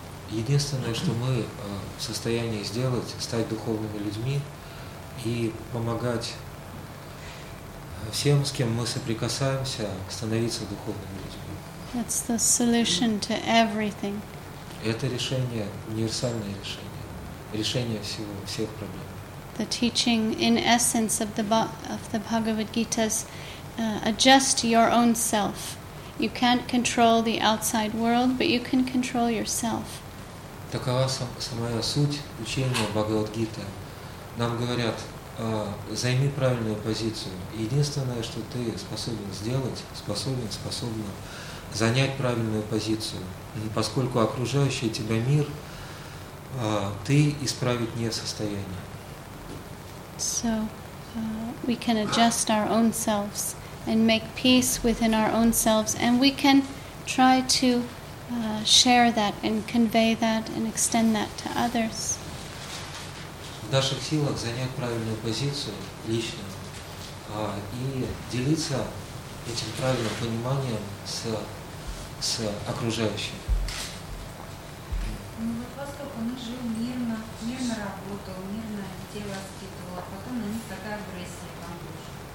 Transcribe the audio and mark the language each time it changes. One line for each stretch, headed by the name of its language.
Russian: Единственное, что мы в состоянии сделать, стать духовными людьми и помогать всем, с кем мы соприкасаемся, становиться духовными людьми.
English: That's the solution to everything.
Russian: Это решение, универсальное решение, решение всего, всех проблем.
English: The teaching in essence of the Bhagavad Gita is adjust your own self. You can't control the outside world, but you can control yourself.
Russian: Такова самая суть учения Бхагавад-гиты. Нам говорят, займи правильную позицию. Единственное, что ты способен сделать, способна занять правильную позицию. И поскольку окружающий тебя мир, ты исправить не в состоянии.
English: So, we can adjust our own selves and make peace within our own selves, and we can try to share that and convey that and extend that to others.
Russian: В наших силах занять правильную позицию лично и делиться этим правильным пониманием с окружающим. Ну вот поскольку мы живем мирно, мирно работал, мирно тело скидывало, а потом на них такая агрессия помнишь.